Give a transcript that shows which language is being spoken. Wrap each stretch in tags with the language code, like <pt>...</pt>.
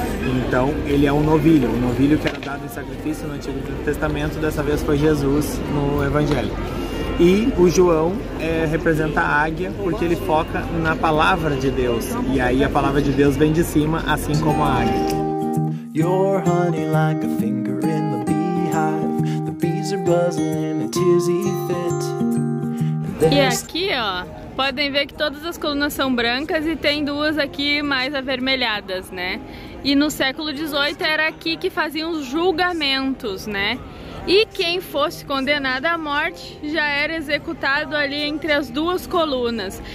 <pt>Então ele é um novilho que era dado em sacrifício no Antigo Testamento, dessa vez foi Jesus no Evangelho. E o João representa a águia, porque ele foca na palavra de Deus. E aí a palavra de Deus vem de cima, assim como a águia.</pt> <en>Your honey like a finger in the beehive. The bees are buzzing in a tizzy fit.</en> <pt>E aqui, ó, podem ver que todas as colunas são brancas e tem duas aqui mais avermelhadas, né? E no século XVIII era aqui que faziam os julgamentos, né? E quem fosse condenado à morte já era executado ali entre as duas colunas.</pt>